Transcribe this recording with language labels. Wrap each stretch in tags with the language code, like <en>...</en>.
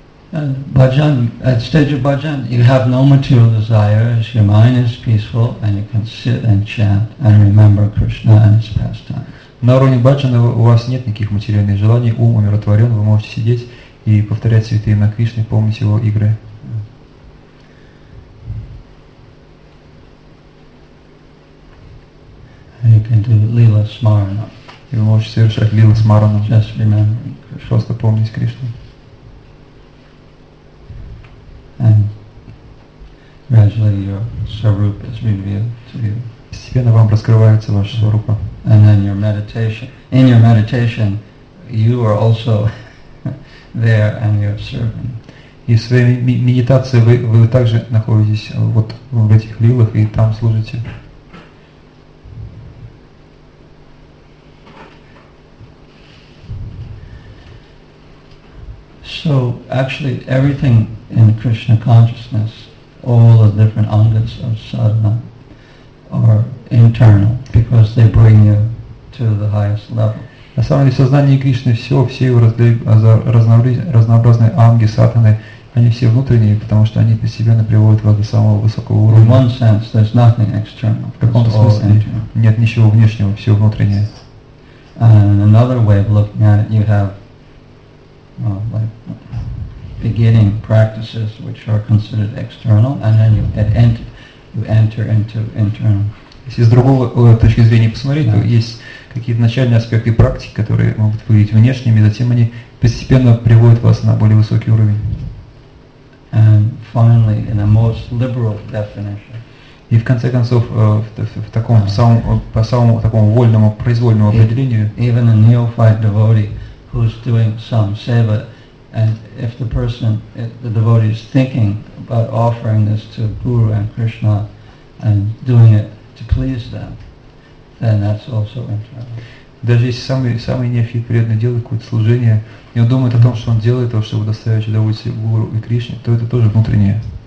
<en>Bhajan, at stage of bhajan, you have no material desires, your mind is peaceful, and you can sit and chant and remember Krishna and his pastimes.</en> <ru>На уровне бхаджана у вас нет никаких материальных желаний, ум умиротворен, вы можете сидеть и повторять святые имена Кришны, помнить его игры.</ru> <en>You can do Lila Smarana.</en> <ru>И вы можете совершать Лила Смарана.</ru> <en>Just remembering Krishna.</en> <ru>Просто помнить Кришну.</ru> <en>eventually your Swarupa is revealed to you.</en> <ru>Постепенно вам раскрывается ваша Сварупа.</ru> <en>And then your meditation. In your meditation, you are also there and your servant.</en> <ru>И в своей медитации вы также находитесь вот в этих лилах и там служите.</ru> <en>So actually everything in Krishna consciousness, all the different angas of sadhana are internal because they bring you to the highest level.</en> <ru>На самом деле сознание Кришны все его разнообразные анги сатаны, они все внутренние, потому что они постепенно приводят вас до самого высокого уровня.</ru> <en>In one sense, there's nothing external.</en> <ru>В каком-то смысле нет ничего внешнего, все внутреннее.</ru> <en>And another way of looking at it, you have beginning practices which are considered external, and then you enter into internal.</en> <ru>Если с другого точки зрения посмотреть, то есть какие-то начальные аспекты практики, которые могут выглядеть внешними, затем они постепенно приводят вас на более высокий уровень.</ru> <en>And finally, in a most liberal definition.</en> <ru>И в конце концов, по самому такому вольному, произвольному определению.</ru> <en>Even a neophyte devotee who's doing some seva, and if the person, the devotee is thinking about offering this to Guru and Krishna and doing it to please them, then that's also internal.</en> <ru>Даже если самый неофит преданный делает какое-то служение, и он думает о том, что он делает то, чтобы доставить удовольствие Гуру и Кришне, то это тоже внутреннее.</ru>